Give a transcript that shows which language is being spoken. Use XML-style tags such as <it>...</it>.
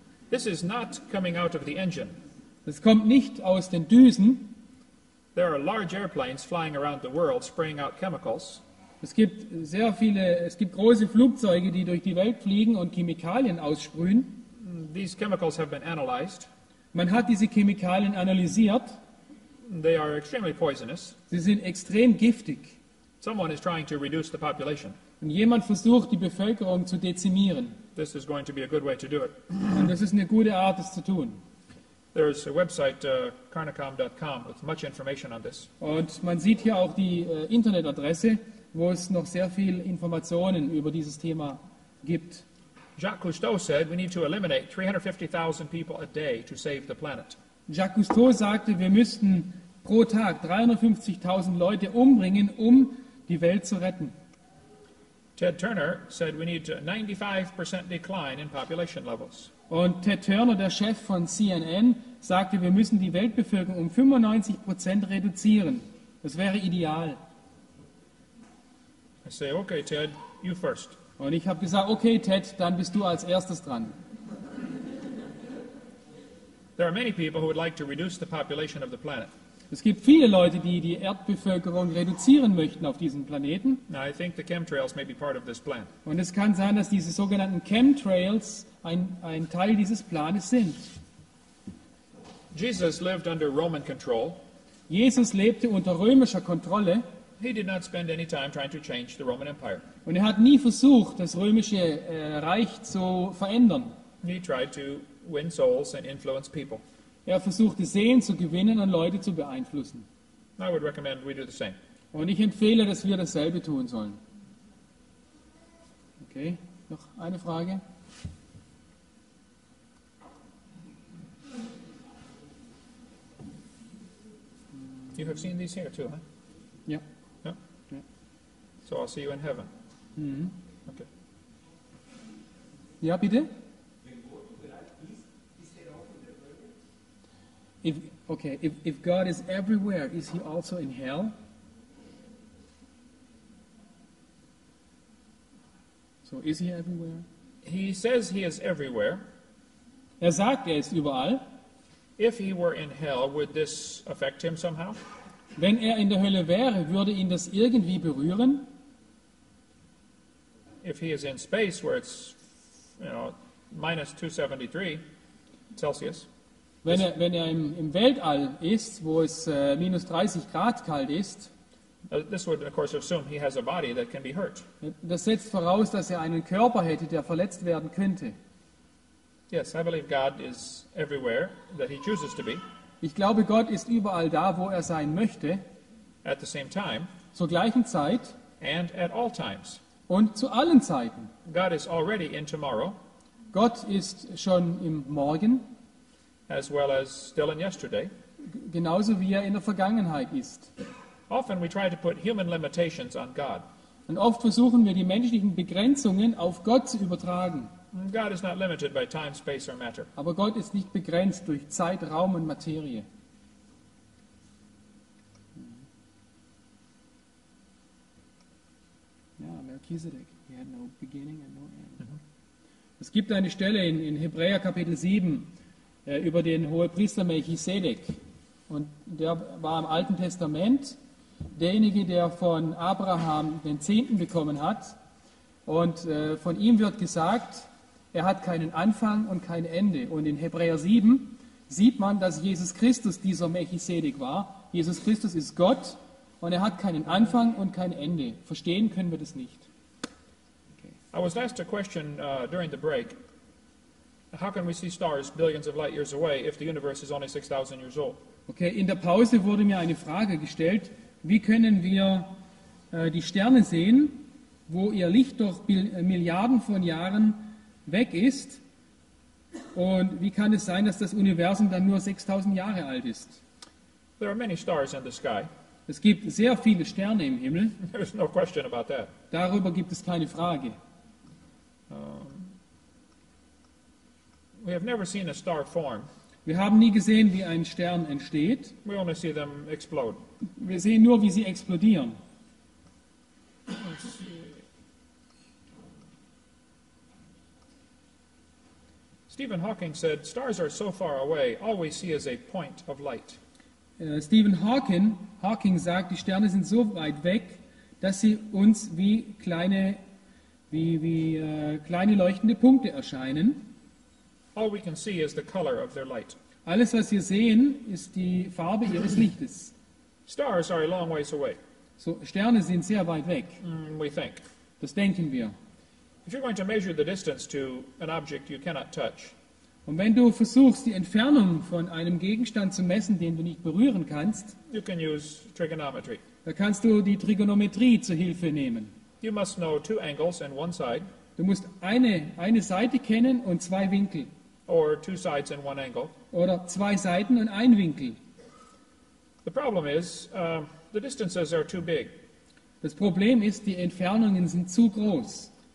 <en>This is not coming out of the engine.</en> <de>Das kommt nicht aus den Düsen.</de> <en>There are large airplanes flying around the world spraying out chemicals.</en> <de>Es gibt große Flugzeuge, die durch die Welt fliegen und Chemikalien aussprühen.</de> <en>These chemicals have been analyzed.</en> <de>Man hat diese Chemikalien analysiert.</de> <en>They are extremely poisonous.</en> <de>Sie sind extrem giftig.</de> <en>Someone is trying to reduce the population.</en> <de>Und jemand versucht, die Bevölkerung zu dezimieren.</de> <en>This is going to be a good way to do it.</en> <de>Und das ist eine gute Art, es zu tun.</de> <en>There is a website, karnacom.com, with much information on this.</en> <de>Und man sieht hier auch die Internetadresse, wo es noch sehr viel Informationen über dieses Thema gibt.</de> <en>Jacques Cousteau said we need to eliminate 350,000 people a day to save the planet.</en> <de>Jacques Cousteau sagte, wir müssten pro Tag 350,000 Leute umbringen, um die Welt zu retten.</de> <en>Ted Turner said we need a 95% decline in population levels.</en> <de>Und Ted Turner, der Chef von CNN, sagte, wir müssen die Weltbevölkerung um 95% reduzieren. Das wäre ideal.</de> <en>I say, okay, Ted, you first.</en> <de>Und ich habe gesagt, okay, Ted, dann bist du als erstes dran.</de> <en>There are many people who would like to reduce the population of the planet.</en> <de>Es gibt viele Leute, die die Erdbevölkerung reduzieren möchten auf diesem Planeten.</de> <en>Now, I think the chemtrails may be part of this plan.</en> <de>Und es kann sein, dass diese sogenannten Chemtrails ein Teil dieses Planes sind.</de> <en>Jesus lived under Roman control.</en> <de>Jesus lebte unter römischer Kontrolle.</de> <en>He did not spend any time trying to change the Roman Empire.</en> <de>Und hat nie versucht, das römische Reich zu verändern.</de> <en>He tried to win souls and influence people.</en> <de>Versuchte Seelen zu gewinnen und Leute zu beeinflussen.</de> <en>I would recommend we do the same.</en> <de>Und ich empfehle, dass wir dasselbe tun sollen. Okay, noch eine Frage?</de> <en>You have seen these here too, huh?</en> <de>Ja.</de> <en>So I'll see you in heaven. Mm-hmm. Okay.</en> <de>Ja, bitte?</de> <en>If God is everywhere, is he also in hell? So is he everywhere? He says he is everywhere.</en> <de>Er sagt, er ist überall.</de> <en>If he were in hell, would this affect him somehow?</en> <de>Wenn er in der Hölle wäre, würde ihn das irgendwie berühren?</de> <en>If he is in space where it's, you know, minus 273 Celsius.</en> <de>Wenn er im Weltall ist, wo es minus 30 Grad kalt ist.</de> <en>This would of course assume he has a body that can be hurt.</en> <de>Das setzt voraus, dass er einen Körper hätte, der verletzt werden könnte.</de> <en>Yes, I believe God is everywhere that he chooses to be.</en> <de>Ich glaube, Gott ist überall da, wo er sein möchte.</de> <en>At the same time.</en> <de>Zur gleichen Zeit.</de> <en>And at all times.</en> <de>Und zu allen Zeiten.</de> <en>God is already in tomorrow.</en> <de>Gott ist schon im Morgen.</de> <en>As well as still in yesterday.</en> <de>Genauso wie er in der Vergangenheit ist.</de> <en>Often we try to put human limitations on God.</en> <de>Und oft versuchen wir, die menschlichen Begrenzungen auf Gott zu übertragen.</de> <en>God is not limited by time, space or matter.</en> <de>Aber Gott ist nicht begrenzt durch Zeit, Raum und Materie.</de> <en>Ja, Melchizedek, he had no beginning and no end. Mm-hmm.</en> <de>Es gibt eine Stelle in Hebräer Kapitel 7 über den Hohepriester Melchizedek. Und der war im Alten Testament derjenige, der von Abraham den Zehnten bekommen hat. Und von ihm wird gesagt, er hat keinen Anfang und kein Ende. Und in Hebräer 7 sieht man, dass Jesus Christus dieser Melchizedek war. Jesus Christus ist Gott und er hat keinen Anfang und kein Ende. Verstehen können wir das nicht.</de> <en>Okay. I was asked a question during the break. How can we see stars billions of light years away if the universe is only 6,000 years old?</en> <de>Okay, in der Pause wurde mir eine Frage gestellt. Wie können wir die Sterne sehen, wo ihr Licht doch Milliarden von Jahren weg ist, und wie kann es sein, dass das Universum dann nur 6000 Jahre alt ist?</de> <en>There are many stars in the sky.</en> <de>Es gibt sehr viele Sterne im Himmel.</de> <en>There's no question about that.</en> <de>Darüber gibt es keine Frage.</de> <en>We have never seen a star form.</en> <de>Wir haben nie gesehen, wie ein Stern entsteht.</de> <en>We only see them explode.</en> <de>Wir sehen nur, wie sie explodieren.</de> <en>Stephen Hawking said, "Stars are so far away. All we see is a point of light."</en> <de>Stephen Hawking sagt, die Sterne sind so weit weg, dass sie uns wie kleine leuchtende Punkte erscheinen.</de> <en>All we can see is the color of their light.</en> <de>Alles, was wir sehen, ist die Farbe ihres Lichtes.</de> <en>Stars are a long ways away.</en> <de>So Sterne sind sehr weit weg.</de> <en>We think.</en> <de>Das denken wir.</de> <en>If you're going to measure the distance to an object you cannot touch.</en> <de>Und wenn du versuchst, die Entfernung von einem Gegenstand zu messen, den du nicht berühren kannst,</de> <en>you can use trigonometry.</en> <de>Da kannst du die Trigonometrie zu Hilfe nehmen.</de> <en>You must know two angles and one side.</en> <de>Du musst eine Seite kennen und zwei Winkel.</de> <en>Or two sides and one angle.</en> <de>Oder zwei Seiten und ein Winkel.</de> <en>The problem is, the distances are too big.</en> <de>Das Problem ist, die Entfernungen sind zu groß.</de>